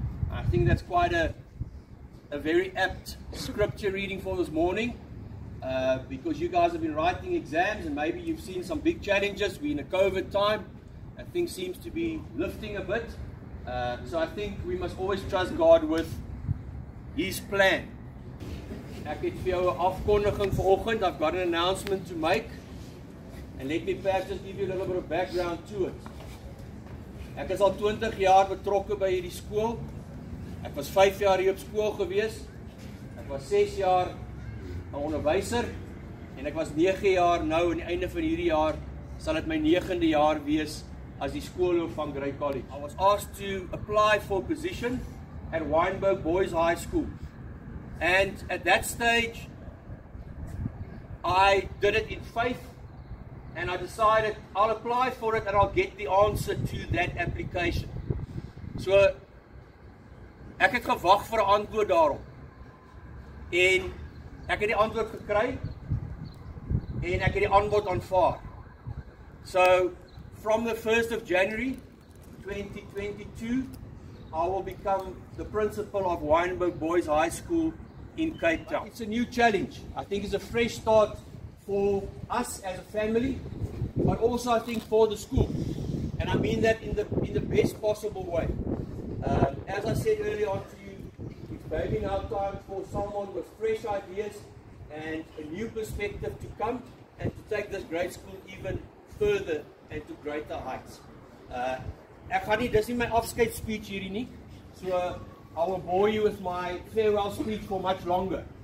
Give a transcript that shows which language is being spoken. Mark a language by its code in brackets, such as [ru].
[en] I think that's quite a very apt scripture reading for this morning, because you guys have been writing exams and maybe you've seen some big challenges. We're in a COVID time and things seem to be lifting a bit. So I think we must always trust God with His plan. [af] Ek het vir jou 'n afkondiging vanoggend. [en] I've got an announcement to make. And let me perhaps just give you a little bit of background to it. [af] Ek is al 20 jaar betrokke by hierdie skool. Ek was 5 jaar hier op skool gewees. Ek was 6 jaar 'n onderwyser en ek was 9 jaar nou aan die einde van hierdie jaar sal dit my 9de jaar wees as die skoolhoof van Grey College. [en] I was asked to apply for a position at Wynberg Boys High School. And at that stage, I did it in faith and I decided I'll apply for it and I'll get the answer to that application. [af] So, ek het gewag vir 'n antwoord daarop. En ek het die antwoord gekry en ek het die aanbod aanvaar. [en] So, from the 1st of January 2022, I will become the principal of Wynberg Boys High School in Cape Town. It's a new challenge. I think it's a fresh start for us as a family, but also I think for the school. And I mean that in the best possible way. As I said earlier on to you, it's maybe now time for someone with fresh ideas and a new perspective to come and to take this great school even further and to greater heights. [af] Ek gaan nie, dis nie my afskeid speech hierdie nie. [en] So I will bore you with my farewell speech for much longer.